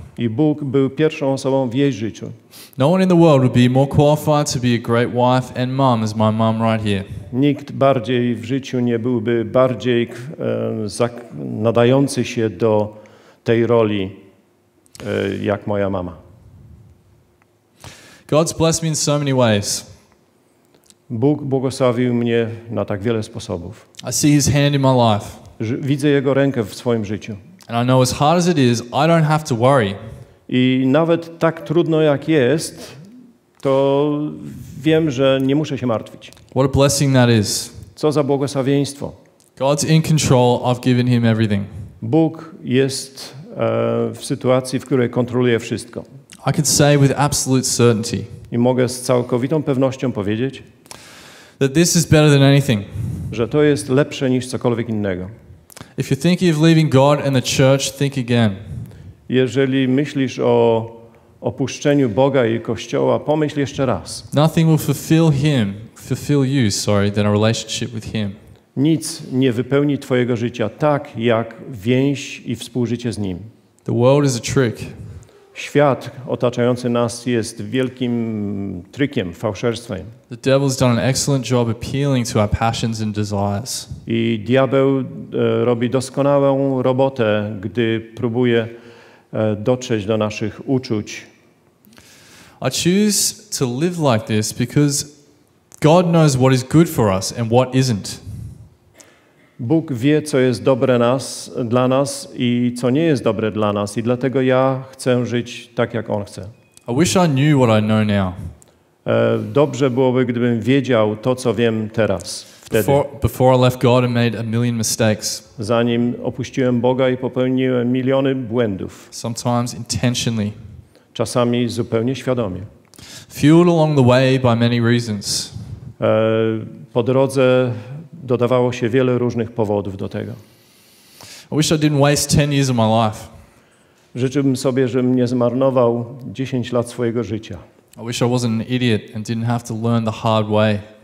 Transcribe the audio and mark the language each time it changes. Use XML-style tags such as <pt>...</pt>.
<pl>I Bóg był pierwszą osobą w jej życiu.</pl> <en>No one in the world would be more qualified to be a great wife and mom as my mom right here.</en> <pl>Nikt bardziej w życiu nie byłby bardziej nadający się do tej roli jak moja mama.</pl> <en>God's blessed me in so many ways.</en> <pl>Bóg błogosławił mnie na tak wiele sposobów.</pl> <en>I see his hand in my life.</en> <pl>Widzę jego rękę w swoim życiu.</pl> <en>And I know as hard as it is, I don't have to worry.</en> <pl>I nawet tak trudno jak jest, to wiem, że nie muszę się martwić.</pl> <en>What a blessing that is.</en> <pl>Co za błogosławieństwo.</pl> <en>God's in control, I've given him everything.</en> <pl>Bóg jest w sytuacji, w której kontroluje wszystko.</pl> <en>I can say with absolute certainty.</en> <pl>I mogę z całkowitą pewnością powiedzieć,</pl> <en>that this is better than anything.</en> <pl>Że to jest lepsze niż cokolwiek innego.</pl> <en>If you're thinking of leaving God and the church, think again.</en> <pl>Jeżeli myślisz o opuszczeniu Boga i Kościoła, pomyśl jeszcze raz.</pl> <en>Nothing will fulfill you, than a relationship with him.</en> <pl>Nic nie wypełni twojego życia tak jak więź i współżycie z nim.</pl> <en>The world is a trick.</en> <pl>Świat otaczający nas jest wielkim trikiem, fałszerstwem.</pl> <en>The devil's done an excellent job appealing to our passions and desires.</en> <pl>I diabeł robi doskonałą robotę, gdy próbuje dotrzeć do naszych uczuć.</pl> <en>I choose to live like this because God knows what is good for us and what isn't.</en> <pl>Bóg wie, co jest dobre dla nas i co nie jest dobre dla nas. I dlatego ja chcę żyć tak, jak On chce.</pl> <en>I wish I knew what I know now.</en> <pl>Dobrze byłoby, gdybym wiedział to, co wiem teraz, wtedy.</pl> <en>Before I left God and made a million mistakes.</en> <pl>Zanim opuściłem Boga i popełniłem miliony błędów.</pl> <en>Sometimes intentionally.</en> <pl>Czasami zupełnie świadomie.</pl> <en>Fueled along the way by many reasons.</en> <pl>Po drodze dodawało się wiele różnych powodów do tego.</pl> <en>I wish I didn't waste 10 years of my life.</en> <pl>Życzyłbym sobie, żebym nie zmarnował 10 lat swojego życia.</pl> <en>I wish I wasn't an idiot and didn't have to learn the hard way.</en>